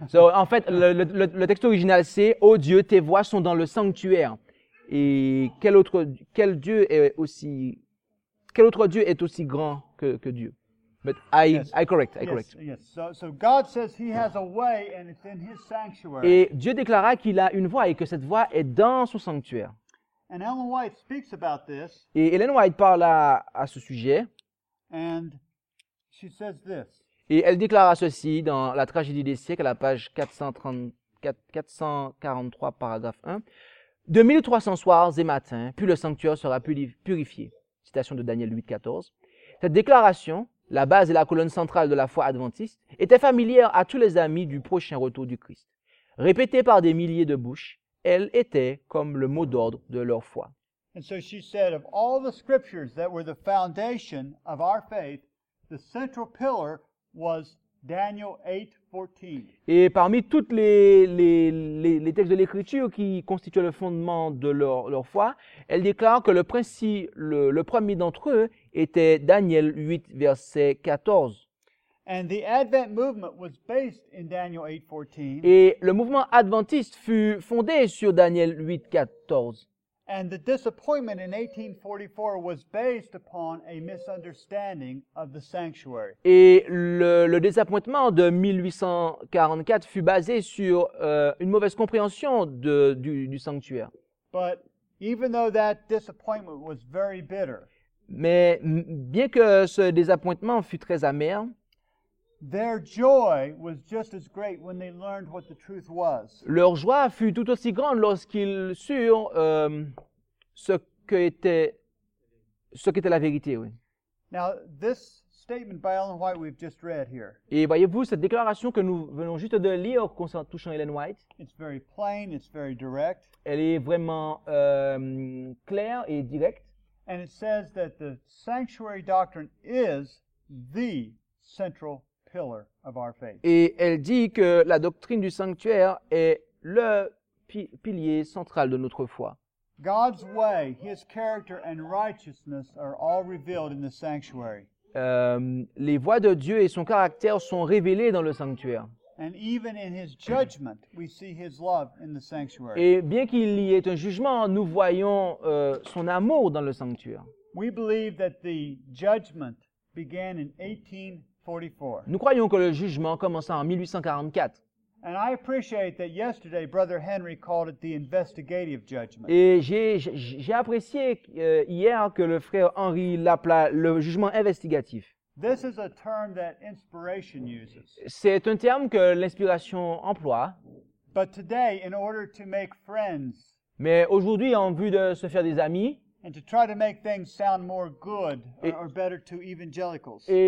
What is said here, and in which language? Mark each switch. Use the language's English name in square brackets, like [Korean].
[French] So, en fait, le texte original, c'est « Oh Dieu, tes voies sont dans le sanctuaire. » Et quel autre Dieu est aussi grand que Dieu? [English] But I correct. So God says he has a way and it's in his sanctuary. [French] Et Dieu déclara qu'il a une voie et que cette voie est dans son sanctuaire. [English] And Ellen White speaks about this. [French] Et Ellen White parle à ce sujet. [English] And she says this. [French] Et elle déclara ceci dans La tragédie des siècles, à la page 443, paragraphe 1. « De 1300 soirs et matins, puis le sanctuaire sera purifié. » Citation de Daniel 8:14. Cette déclaration, la base et la colonne centrale de la foi adventiste, était familière à tous les amis du prochain retour du Christ. Répétée par des milliers de bouches, elle était comme le mot d'ordre de leur foi. [English] And so she said, of all the scriptures that were the foundation of our faith, the central pillar was Daniel 8:14. [French] Et parmi toutes les textes de l'écriture qui constituent le fondement de leur foi, elle déclare que le premier d'entre eux était Daniel 8 verset 14. [English] And the Advent movement was based in Daniel 8:14. [French] Et le mouvement adventiste fut fondé sur Daniel 8:14. [English] And the disappointment in 1844 was based upon a misunderstanding of the sanctuary. [French] Et le désappointement de 1844 fut basé sur une mauvaise compréhension du sanctuaire. [English] But even though that disappointment was very bitter, [French] mais bien que ce désappointement fût très amer, [English] their joy was just as great when they learned what the truth was. [French] Leur joie fut tout aussi grande lorsqu'ils surent ce qu'était la vérité, oui. [English] Now, this statement by Ellen White we've just read here. [French] Et voyez-vous cette déclaration que nous venons juste de lire concernant touchant Ellen White? [English] It's very plain, it's very direct. [French] Elle est vraiment claire et directe. [English] And it says that the sanctuary doctrine is the central pillar of our faith. [French] Et elle dit que la doctrine du sanctuaire est le pilier central de notre foi. [English] God's way, his character and righteousness are all revealed in the sanctuary. [French] Les voies de Dieu et son caractère sont révélées dans le sanctuaire. [English] And even in his judgment, we see his love in the sanctuary. [French] Et bien qu'il y ait un jugement, nous voyons son amour dans le sanctuaire. [English] We believe that the judgment began in 1844. [French] Nous croyons que le jugement commença en 1844. [English] And I appreciate that yesterday Brother Henry called it the investigative judgment. [French] Et j'ai apprécié hier que le frère Henry l'appela le jugement investigatif. [English] This is a term that inspiration uses. [French] C'est un terme que l'inspiration emploie. [English] But today, in order to make friends, [French] mais aujourd'hui en vue de se faire des amis, [English] and to try to make things sound more good or better to evangelicals.